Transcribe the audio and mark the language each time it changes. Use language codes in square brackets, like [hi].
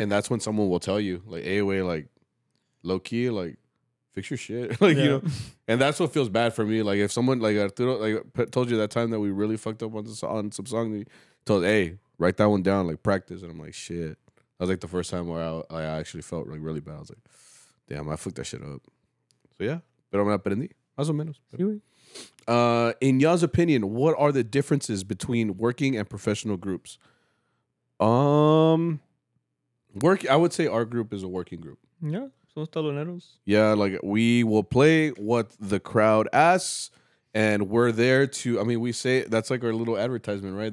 [en] And that's when someone will tell you, like, AOA, like, low key, like, fix your shit. Like, you know, and that's what feels bad for me. Like, if someone like Arturo, like, told you that time that we really fucked up on some song, he told, hey, write that one down, like, practice. And I'm like, shit. That was like the first time where I actually felt like really bad. I was like, damn, I fucked that shit up. So yeah, [es] pero me aprendí, más o menos. [en] In y'all's opinion, what are the differences between working and professional groups? I would say our group is a working group. Yeah. Yeah, like, we will play what the crowd asks, and we're there to, I mean, we say, that's like our little advertisement, right?